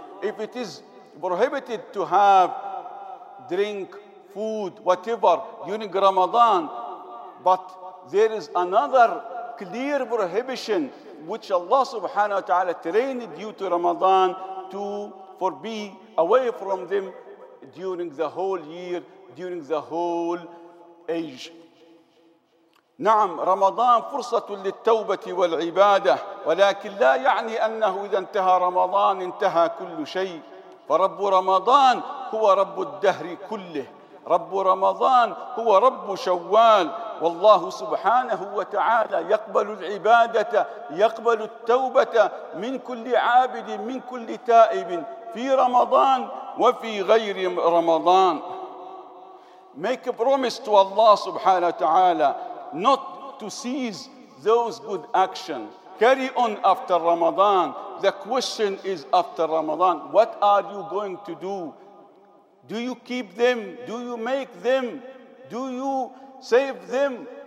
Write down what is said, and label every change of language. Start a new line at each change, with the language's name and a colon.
English: If it is prohibited to have drink, food, whatever during Ramadan, but there is another clear prohibition which Allah subhanahu wa ta'ala trained you to Ramadan to be away from them during the whole year, during the whole age.
Arabic: نعم رمضان فرصة للتوبة والعبادة ولكن لا يعني أنه إذا انتهى رمضان انتهى كل شيء فرب رمضان هو رب الدهر كله رب رمضان هو رب شوال والله سبحانه وتعالى يقبل العبادة يقبل التوبة من كل عابد من كل تائب في رمضان وفي غير رمضان.
English: Make a promise to Allah subhanahu wa ta'ala not to cease those good actions. Carry on after Ramadan. The question is after Ramadan, what are you going to do? Do you keep them? Do you make them? Do you save them?